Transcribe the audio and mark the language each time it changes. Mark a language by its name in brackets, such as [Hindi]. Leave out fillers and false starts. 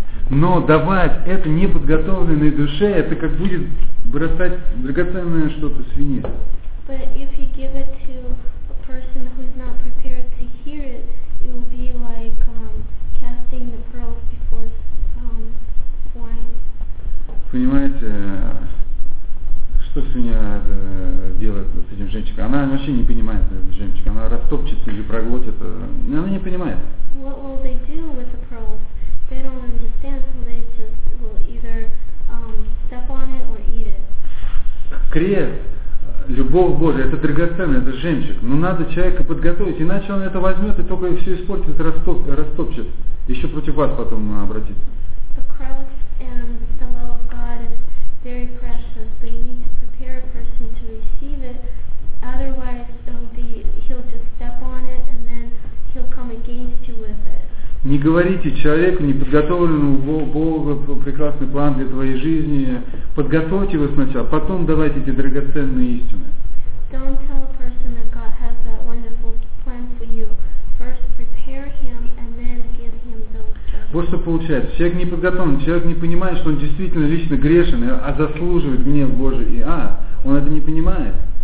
[Russian] Но давать это неподготовленной душе, это как будет бросать драгоценное что-то свинье. [English] But if you give it to a person who's not prepared to hear it, it will be like casting the pearls before swine. [Russian] Понимаете, что свинья делает с этим жемчугом? Она вообще не понимает этот жемчуг. Она растопчет или проглотит. Она не понимает. [English] What will they do with the pearls? They don't understand, so they just will either step on it or eat it. [Russian] Крест, любовь Божия, это драгоценное, это жемчуг. Но надо человека подготовить, иначе он это возьмет и только все испортит, растопчет. Еще против вас потом обратится. [English] The cross and the love of God is very precious, but you need to prepare a person to receive it. Otherwise, he'll just step on it and then he'll come against you with it. [Russian] Не говорите человеку, не подготовленному Богу, прекрасный план для твоей жизни. Подготовьте его сначала, потом давайте эти драгоценные истины. [English] Don't tell a person that God has a wonderful plan for you. First prepare him and then give him those things. [Russian] Вот что получается. Человек не подготовлен, человек не понимает, что он действительно лично грешен, а заслуживает гнев Божий. И он это не понимает.